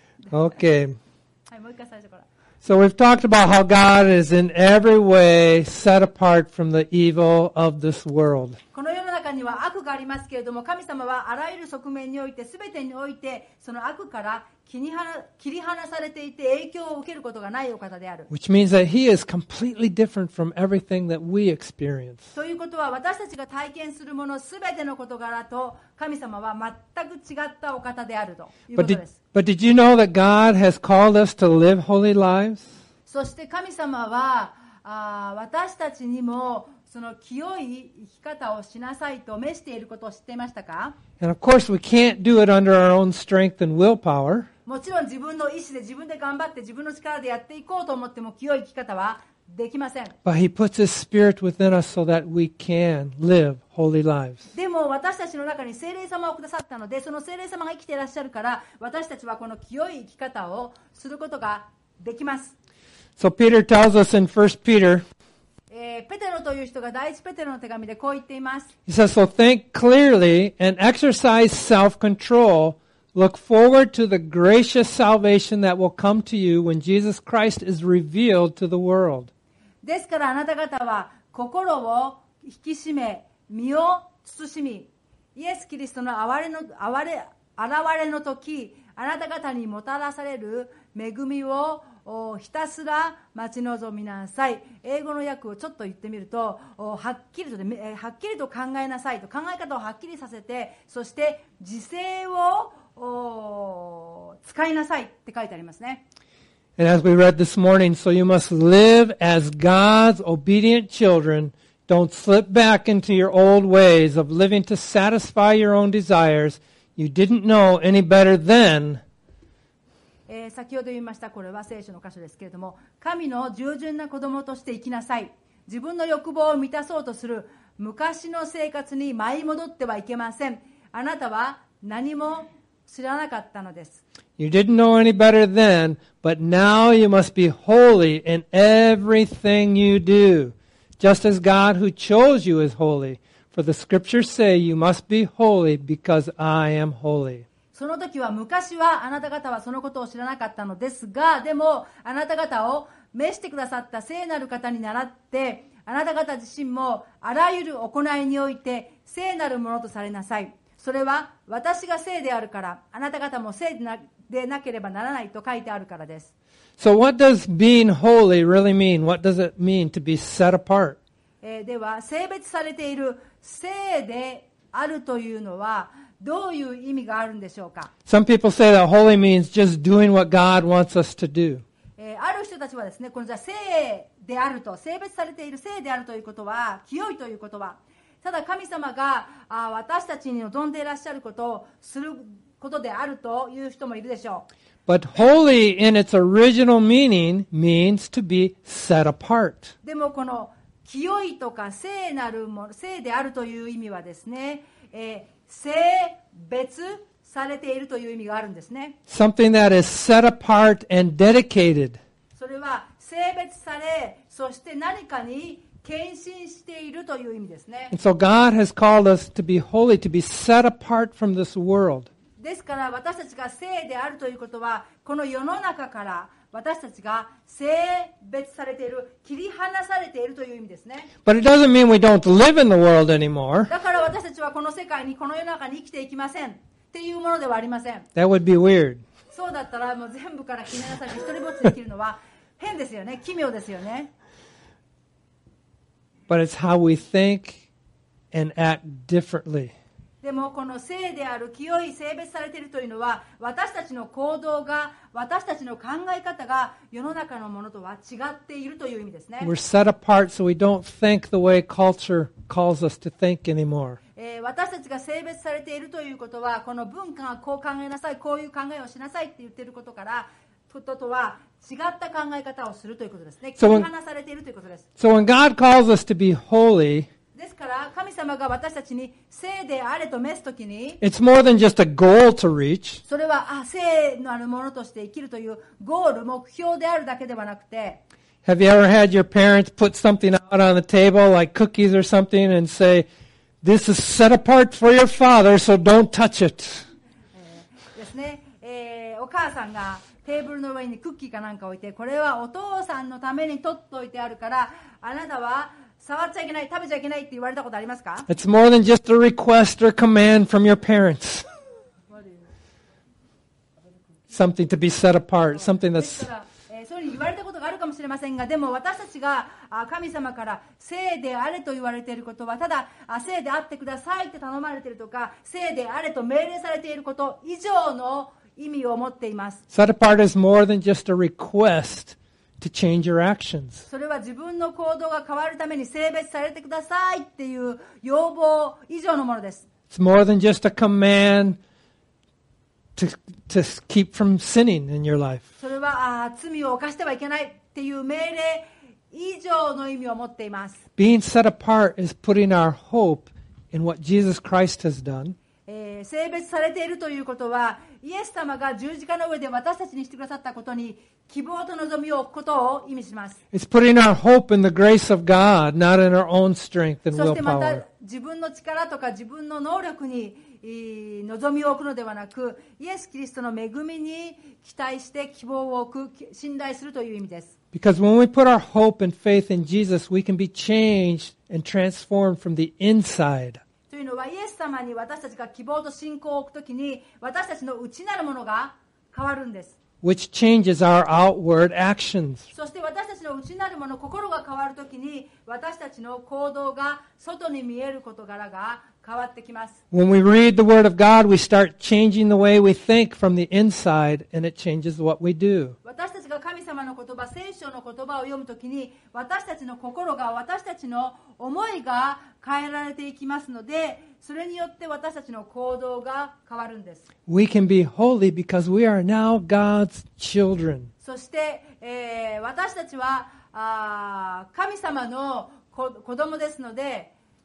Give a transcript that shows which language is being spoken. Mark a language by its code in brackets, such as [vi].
[en] Okay. So we've talked about how God is in every way set apart from the evil of this world. [ja] この世の中には悪がありますけれども、神様はあらゆる側面において、すべてにおいて、その悪から切り離されていて影響を受けることがないお方である。 [en] Which means that he is completely different from everything that we experience. [ja] ということは、私たちが体験するものすべての事柄と神様は全く違ったお方であるということです。 [en] But did you know that God has called us to live holy lives? [ja] そして神様は私たちにもその清い生き方をしなさいと召していることを知っていましたか? [en] And of course we can't do it under our own strength and willpower. [ja] もちろん自分の意志で自分で頑張って自分の力でやっていこうと思っても清い生き方はできません。 [en] But he puts his spirit within us so that we can live holy lives. [ja] でも私たちの中に聖霊様をくださったのでその聖霊様が生きていらっしゃるから私たちはこの清い生き方をすることができます。 [en] So Peter tells us in 1 Peter、 [ja] ペテロという人が第一ペテロの手紙でこう言っています。 [en] He says, so think clearly and exercise self-control. Look forward to the gracious salvation that will come to you when Jesus Christ is revealed to the world. [ja] ですからあなた方は心を引き締め身を慎みイエス・キリストの現れの時あなた方にもたらされる恵みをひたすら待ち望みなさい。英語の訳をちょっと言ってみると、はっきりと考えなさいと、考え方をはっきりさせて、そして時勢を使いなさいって書いてありますね。 [en] And as we read this morning, so you must live as God's obedient children. Don't slip back into your old ways of living to satisfy your own desires. You didn't know any better then. [ja] 先ほど言いましたこれは聖書の箇所ですけれども神の従順な子供として生きなさい。自分の欲望を満たそうとする昔の生活に舞い戻ってはいけません。あなたは何も知らなかったのです。 [en] You didn't know any better then, but now you must be holy in everything you do, just as God who chose you is holy. For the scriptures say you must be holy because I am holy. [ja] その時は昔はあなた方はそのことを知らなかったのですが、でもあなた方を召してくださった聖なる方に倣って、あなた方自身もあらゆる行いにおいて聖なるものとされなさい。それは私が聖であるから、あなた方も聖でなければならないと書いてあるからです。 [en] So what does being holy really mean? What does it mean to be set apart? [ja] では、聖別されている聖であるというのは、どういう意味があるんでしょうか? [en] Some people say that holy means just doing what God wants us to do. [ja] ある人たちはですね、このじゃあ聖であると、聖別されている聖であるということは、清いということは、ただ神様が私たちに望んでいらっしゃることをすることであるという人もいるでしょう。 [en] But holy in its original meaning means to be set apart. [ja] でもこの清いとか聖なるもの、聖であるという意味はですね、聖別されているという意味があるんですね。 [en] Something that is set apart and dedicated. [ja] それは聖別され、そして何かに献身しているという意味ですね。 [en] And so God has called us to be holy, to be set apart from this world. [ja] ですから私たちが聖であるということは、この世の中から、私たちが性別されている、切り離されているという意味ですね。 [en] But it doesn't mean we don't live in the world anymore. [ja] だから私たちはこの世界に、この世の中に生きていきませんっていうものではありません。 [en] That would be weird. [ja] そうだったらもう全部から切り離されて一人ぼっちできるのは変ですよね、奇妙ですよね。 [en] But it's how we think and act differently. [ja] でもこの性である清い性別されているというのは私たちの行動が私たちの考え方が世の中のものとは違っているという意味ですね。 [en] We're set apart so we don't think the way culture calls us to think anymore. [ja] 私たちが性別されているということはこの文化がこう考えなさいこういう考えをしなさいって言ってることからとは違った考え方をするということですね。切り離されているということです。 [en] So when God calls us to be holy, [ja] ですから神様が私たちに聖であれと召すときに [en] It's more than just a goal to reach. [ja] それは聖なるものとして生きるというゴール目標であるだけではなくて [en] Have you ever had your parents put something out on the table like cookies or something and say this is set apart for your father so don't touch it [ja] ですね、お母さんがテーブルの上にクッキーかなんか置いてこれはお父さんのために取っておいてあるからあなたは触っちゃいけない、食べちゃいけないって言われたことありますか? [en] It's more than just a request or command from your parents. Something to be set apart, something that's... [ja] そういうふうに言われたことがあるかもしれませんが、でも私たちが神様から聖であれと言われていることは、ただ聖であってくださいって頼まれているとか、聖であれと命令されていること以上の意味を持っています。 [en] Set apart is more than just a request. To change your actions. [ja] それは自分の行動が変わるために性別されてくださいっていう要望以上のものです。 [en] It's more than just a command to keep from sinning in your life. [ja] それは罪を犯してはいけないっていう命令以上の意味を持っています。 [en] Being set apart is putting our hope in what Jesus Christ has done. [ja] 性別されているということはイエス様が十字架の上で私たちにしてくださったことに希望と望みを置くことを意味します。 [en] It's putting our hope in the grace of God, not in our own strength and willpower. [ja] そしてまた自分の力とか自分の能力に望みを置くのではなく、イエス・キリストの恵みに期待して希望を置く、信頼するという意味です。 [en] Because when we put our hope and faith in Jesus, we can be changed and transformed from the inside. [ja] というのはイエス様に私たちが希望と信仰を置くときに私たちの内なるものが変わるんです。 [en] Which changes our outward actions. [ja] そして私たちの内なるもの心が変わるときに私たちの行動が外に見える事柄が変わってきます。 [en] When we read the word of God, we start changing the way we think from the inside, and it changes what we do. [ja] 私たちが神様の言葉、聖書の言葉を読むときに私たちの心が私たちの思いが変えられていきますので、それによって私たちの行動が変わるんです。 [en] We can be holy because we are now God's children. [ja] そして、私たちは神様の子供ですので、